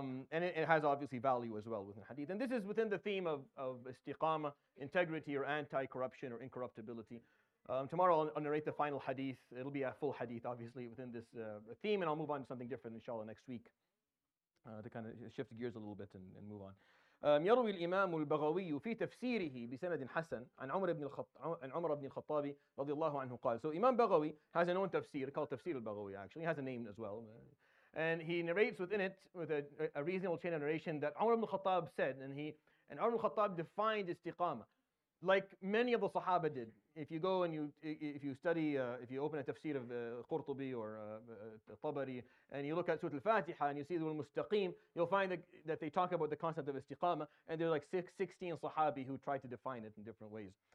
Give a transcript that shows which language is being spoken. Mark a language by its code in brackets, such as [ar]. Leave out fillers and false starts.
[en] And it has obviously value as well within hadith. And this is within the theme of istiqama, integrity or anti-corruption or incorruptibility. Tomorrow I'll narrate the final hadith. It'll be a full hadith, obviously, within this theme, and I'll move on to something different, inshallah, next week to kind of shift gears a little bit and move on. [ar] يروي الإمام البغوي في تفسيره بسند حسن عن عمر بن الخطاب عن عمر بن الخطاب رضي الله عنه قال. [en] So Imam Baghawi has an own tafsir called Tafsir al-Baghawi. Actually, he has a name as well, and he narrates within it with a reasonable chain of narration that Umar ibn al-Khattab said, and Umar ibn al-Khattab defined istiqama like many of the Sahaba did. If you go and if you open a tafsir of Qurtubi or Tabari, and you look at Surah Al-Fatiha and you see the word mustaqim, you'll find that they talk about the concept of istiqama, and there are like 16 Sahabi who tried to define it in different ways.